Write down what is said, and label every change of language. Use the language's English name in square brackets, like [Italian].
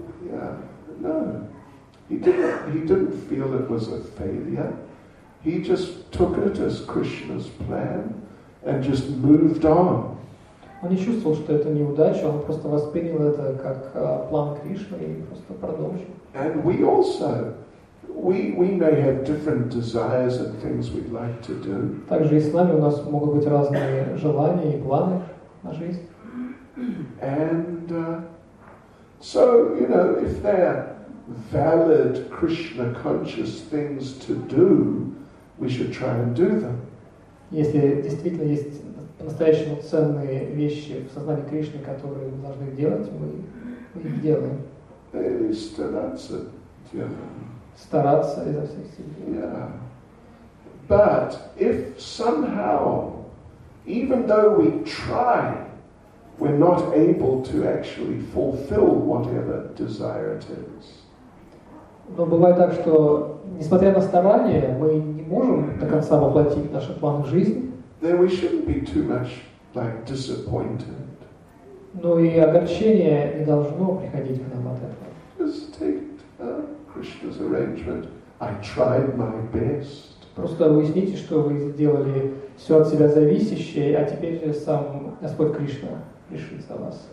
[English] Yeah, no. He didn't feel it was a failure. He just took it as Krishna's plan and just moved on. [Russian] Он не чувствовал, что это неудача, он просто воспринял это как план Кришны и просто продолжил. [English] And we also, we may have different desires and things we'd like to do. [Russian] Также и с нами у нас могут быть разные желания и планы на жизнь. [English] And so, you know, if they're valid Krishna conscious things to do, we should try and do them. [Russian] Если действительно есть по-настоящему ценные вещи в сознании Кришны, которые мы должны делать, мы их делаем. И стараться делать. Стараться изо всех сил. [English] Yeah. But if somehow, even though we try, we're not able to actually fulfill whatever desire it is. [Russian] Но бывает так, что несмотря на старания, мы не можем до конца воплотить наши планы в жизнь. [English] Then we shouldn't be too much like disappointed. [Russian] Но и огорчение не должно приходить к нам от этого. [English] Just take Krishna's arrangement. I tried my best. [Russian] Просто уясните, что вы сделали все от себя зависящее, а теперь сам Господь Кришна решит за вас.